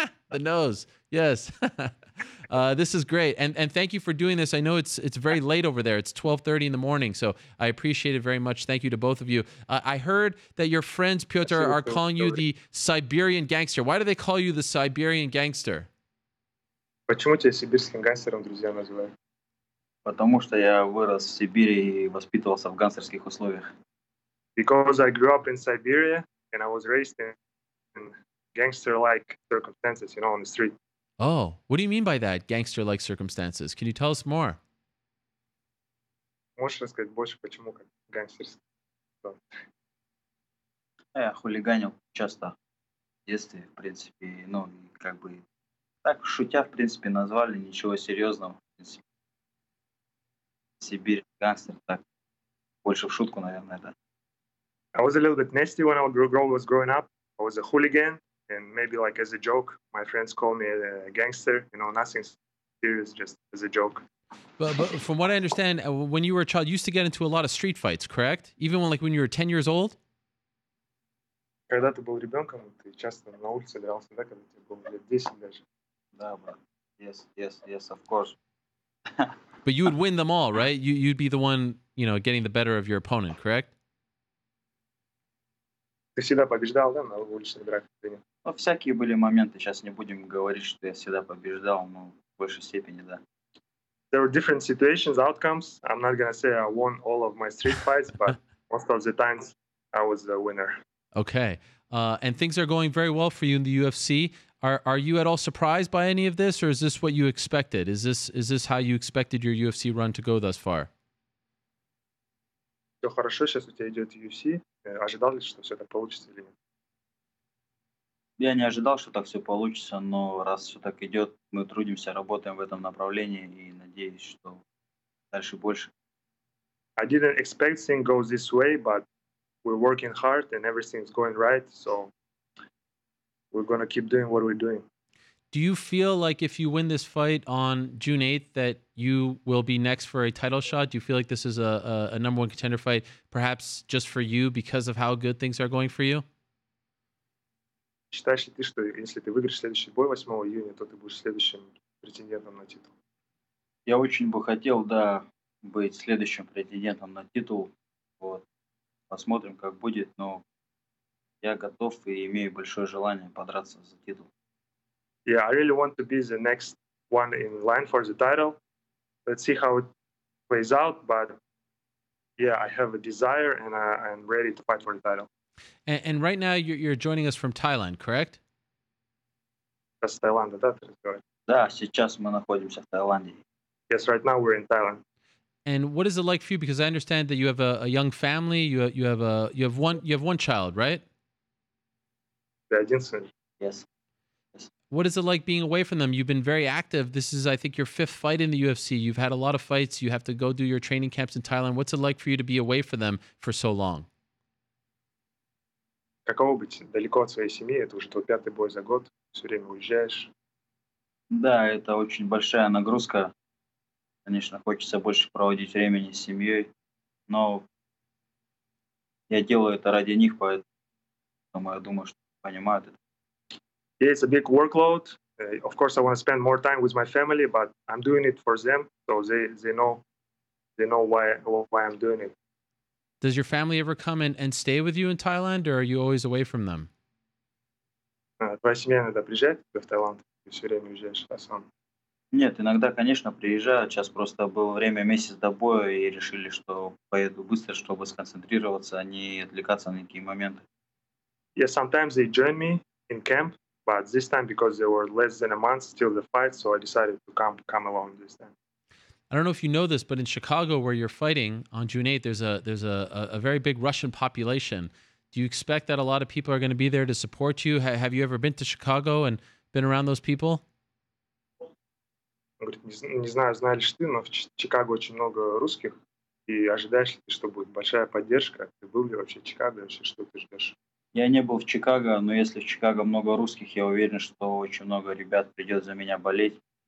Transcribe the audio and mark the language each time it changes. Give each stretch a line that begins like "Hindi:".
English: The nose. Yes. This is great. And thank you for doing this. I know it's very late over there. It's 12:30 in the morning. So I appreciate it very much. Thank you to both of you. I heard that your friends, Pyotr, are calling you the Siberian gangster. Why do they call you the Siberian gangster?
Russian: Почему тебя сибирским гангстером, друзья, называют? Потому что я вырос в Сибири и воспитывался в гангстерских условиях.
English: Because I grew up in Siberia and I was raised in gangster-like circumstances, you know, on the street. Oh, what do you mean by that, gangster-like circumstances? Can you tell us more?
Russian: Можешь рассказать больше, почему как гангстерский? Я хулиганил часто в детстве, в принципе, ну, как бы... Так, шутя, в принципе, назвали, ничего серьезного, в принципе. Сибирь, гангстер, так. Больше в шутку, наверное, да.
English: I was a little bit nasty when I was growing up. I was a hooligan, and maybe like as a joke, my friends called me a gangster. You know, nothing serious, just as a joke. But from what I understand, when you were a child, you used to get into a lot of street fights, correct? Even when, like, when you were 10 years old?
Russian: Когда ты был ребенком, ты часто на улице дрался, да, когда тебе было лет 10 даже.
English: Yes, of course. But you would win them all, right? You'd be the one, you know, getting the better of your opponent, correct?
Russian: Ты всегда побеждал, да, на уличных драках? Ну, всякие были моменты. Сейчас не будем говорить, что я всегда побеждал, но в большей степени, да.
English: There were different situations, outcomes. I'm not gonna say I won all of my street fights, but most of the times I was the winner. Okay. And things are going very well for you in the UFC. Are you at all surprised by any of this, or is this what you expected? Is this how you expected your UFC run to go thus far?
Russian: Все хорошо, сейчас у тебя идет UFC. Ожидал ли, что все так получится или нет? Я не ожидал, что так все получится, но раз все так идет, мы трудимся, работаем в этом направлении и надеюсь, что дальше больше.
English: I didn't expect things go this way, but we're working hard and everything's going right, so we're going to keep doing what we're doing. Do you feel like if you win this fight on June 8th that you will be next for a title shot? Do you feel like this is a number one contender fight, perhaps just for you because of how good things are going for you?
Russian: Считаешь ли ты, что если ты выиграешь следующий бой 8 июня, то ты будешь следующим претендентом на титул? Я очень бы хотел, да, быть следующим претендентом на титул. Вот. Посмотрим, как будет, но я готов и имею большое желание подраться за титул.
English: Yeah, I really want to be the next one in line for the title. Let's see how it plays out, but yeah, I have a desire and I'm ready to fight for the title. And right now you're joining us from Thailand, correct? Yes, Thailand, that's right.
Russian: Да, сейчас мы находимся в Таиланде.
English: Yes, right now we're in Thailand. And what is it like for you? Because I understand that you have a young family. You have one child, right? Yes. What is it like being away from them? You've been very active. This is, I think, your fifth fight in the UFC. You've had a lot of fights. You have to go do your training camps in Thailand. What's it like for you to be away from them for so long?
Russian: Каково быть далеко от своей семьи? Это уже твой пятый бой за год. Все время уезжаешь. Да, это очень большая нагрузка. Конечно, хочется больше проводить времени с семьей. Но я делаю это ради них, поэтому я думаю, что понимают это.
English: Yeah, it's a big workload. Of course, I want to spend more time with my family, but I'm doing it for them, so they know why I'm doing it. Does your family ever come and stay with you in Thailand, or are you always away from them?
Russian: Твоя семья иногда приезжает в Таиланд, ты все время уезжаешь, а сам? Нет, иногда, конечно, приезжаю. Сейчас просто было время месяц до боя, и решили, что поеду быстро, чтобы сконцентрироваться, а не отвлекаться на какие моменты.
English: Yeah, sometimes they join me in camp. But this time, because there were less than a month till the fight, so I decided to come along this time. I don't know if you know this, but in Chicago, where you're fighting on June 8th, there's a very big Russian population. Do you expect that a lot of people are going to be there to support you? Have you ever been to Chicago and been around those people?
Russian: Он говорит, не знаю, знаешь ли ты, но в Чикаго очень много русских. И ожидаешь ли ты, что будет большая поддержка? Ты был ли вообще в Чикаго? Вообще, что ты ждешь? Я не был в Чикаго, но если в Чикаго много русских, я уверен, что очень много ребят придет за меня болеть.